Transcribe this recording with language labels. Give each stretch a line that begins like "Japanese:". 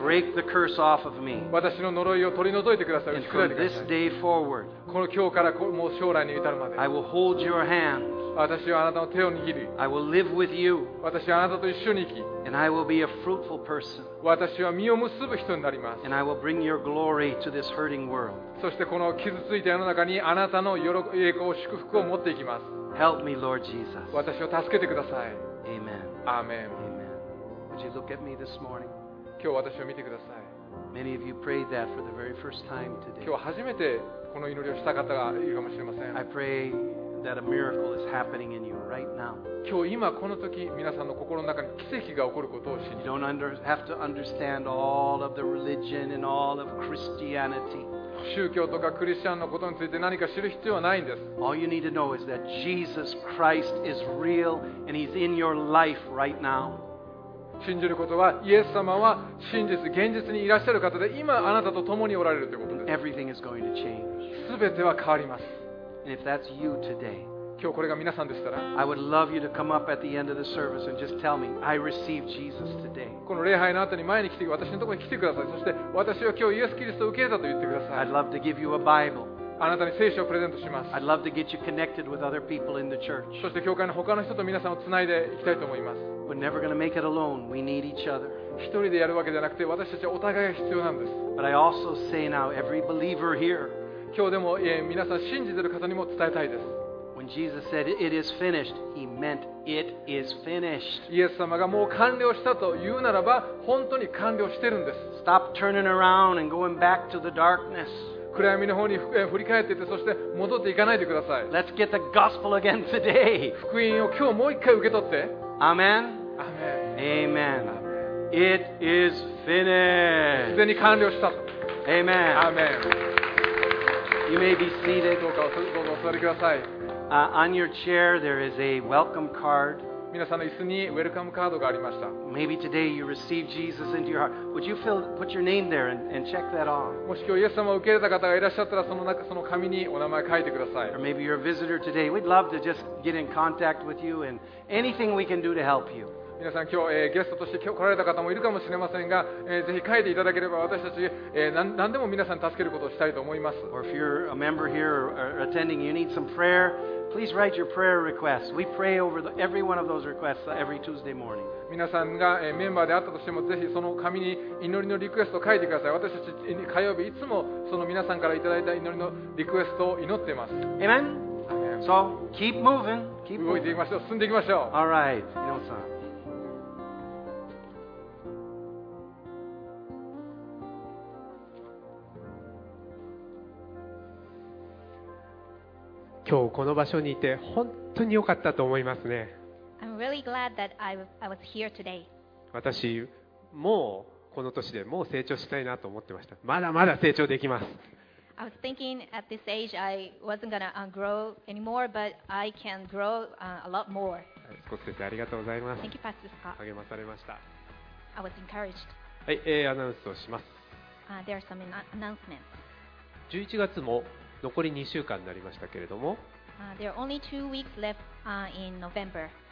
English: Break the curse off of me.
Japanese: 私の呪いを取り除いてください。
English: And from this day forward,
Japanese: この今日からもう将来に至るまで。
English: I will hold your hand.
Japanese: 私はあなたの手を握り、
English: I will live with you.
Japanese: 私はあなたと一緒に生き、
English: And I will be a fruitful person.
Japanese: 私は実を結ぶ人になります。
English: And I will bring your glory to this hurting world.
Japanese: そしてこの傷ついた世の中にあなたの栄光、祝福を持っていきます。
English: Help me, Lord Jesus.
Japanese: 私を助けてください。
English: Amen. Amen. Amen. Would you look at me this morning?
Japanese: 今日私を見てください。
English: Many of you prayed that for the very first time today.
Japanese: 今日初めてこの祈りをした方がいるかもしれません。
English: I prayThat a miracle is happening in you right now.
Japanese: 今日今この時皆さんの心の中に奇跡が起こることを知り。
English: You don't have to understand all of the religion and all of Christianity.
Japanese: 宗教とかクリスチャンのことについて何か知る必要はないんです。
English: All you need to know is that Jesus Christ is real and He's in your life right now.
Japanese: 信じることはイエス様は真実、現実にいらっしゃる方で今あなたと共におられるということです。
English: Everything is going to change.
Japanese: 全ては変わります。
English: And if that's you today,
Japanese: 今日これが皆さんでしたら、
English: I would love you to come up at the end of the service and just tell me, I received Jesus today.
Japanese: この礼拝の後に前に来て、私のところに来てください。そして、私は今日イエス・キリストを受け入れたと言ってください。
English: I'd love to give you a Bible.
Japanese: あなたに聖書をプレゼントします。
English: I'd love to get you connected with other people in the church.
Japanese: そして、教会の他の人と皆さんをつないでいきたいと思います。
English: We're never going to make it alone. We need each other.
Japanese: 一人でやるわけじゃなくて、私たちはお互いが必要なんです。
English: But I also say now, every believer here,
Japanese: 今日でも皆さん信じている方にも伝えたいです。
English: When Jesus said it is finished, he meant it is finished.
Japanese: イエス様がもう完了したと言うならば、本当に完了してるんです。
English: Stop turning around and going back to the darkness.
Japanese: 暗闇の方に振り返っていて、そして戻っていかないでください。
English: Let's get the gospel again today.
Japanese: 福音を今日もう一回受け取って。
English: Amen. Amen. Amen. It is finished.
Japanese: 既に完了したと。
English: Amen. Amen. You may be seated.
Japanese: どうぞお座りください。
English: On your chair there is a welcome card.
Japanese: 皆さんの椅子にウェルカムカードがありました。
English: Maybe today you received Jesus into your heart. Would you put your name there and check that off?
Japanese: もし今日イエス様を受け入れた方がいらっしゃったらその紙にお名前書いてください。
English: Or maybe you're a visitor today. We'd love to just get in contact with you and anything we can do to help you.
Japanese: 皆さん今日、ゲストとして今日来られた方もいるかもしれませんが、ぜひ書いていただければ私たち、何でも皆さん助けることをしたいと思います。
English: Or if you're a member here or attending, you need some prayer, please write your prayer request. We pray over every one of those requests every Tuesday morning.
Japanese: 皆さんが、メンバーであったとしてもぜひその紙に祈りのリクエストを書いてください。私たち火曜日いつもその皆さんからいただいた祈りのリクエストを祈っています。
English: Amen. Amen. So keep moving. Keep moving.
Japanese: 動いていきましょう。進んでいきましょう。
English: All right, 井上さん。
Japanese: 今日この場所にいて本当に良かったと思いますね。
English: I'm really glad that I was here today.
Japanese: 私もうこの年でもう成長したいなと思ってました。まだまだ成長できます。
English: I was thinking at this age I wasn't gonna grow anymore, but I can grow a lot more.
Japanese: スコット先生ありがとうございます。
English: Thank you, Pastor Scott.
Japanese: 励まされました。
English: I was encouraged.
Japanese: はい、アナウンスをします。
English: There are some announcements.
Japanese: 11月も残り2週間になりましたけれども、
English: There are only 2 weeks left in November.